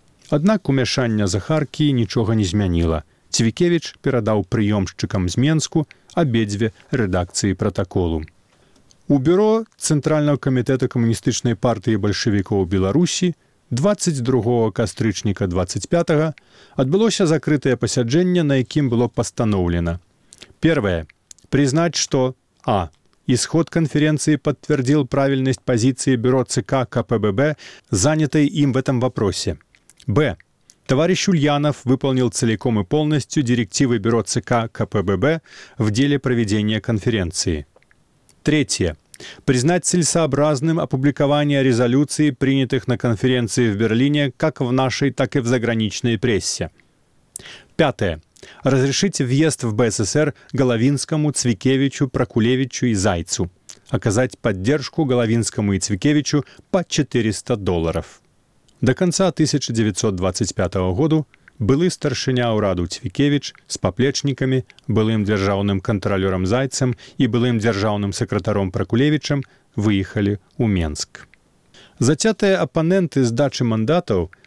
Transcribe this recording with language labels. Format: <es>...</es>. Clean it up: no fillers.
<be>Аднак умяшанне Захаркі нічога не змяніла. Цвікевіч перадаў прыёмшчыкам з Менску абедзве рэдакцыі пратаколу. У бюро Цэнтральнага камітэта камуністычнай партыі бальшавікоў Беларусі 22 кастрычніка 25-го адбылося закрытае пасяджэнне, на якім было пастаноўлена.</be> <ru>Первое. Признаць, што А. Исход конференции подтвердил правильность позиции бюро ЦК КПББ, занятой им в этом вопросе. Б. Товарищ Ульянов выполнил целиком и полностью директивы бюро ЦК КПББ в деле проведения конференции. Третье. Признать целесообразным опубликование резолюций, принятых на конференции в Берлине, как в нашей, так и в заграничной прессе. Пятое. Разрешить въезд в БССР Головинскому, Цвикевичу, Пракулевичу и Зайцу. Оказать поддержку Головинскому и Цвикевичу по $400.</ru> <be>До конца 1925 года былы старшыня ўраду Цвікевіч з паплечнікамі, былым дзяржаўным кантралёрам Зайцам і былым дзяржаўным сакратаром Пракулевічам выехалі ў Менск. Зацятыя апаненты здачы мандатаў</be>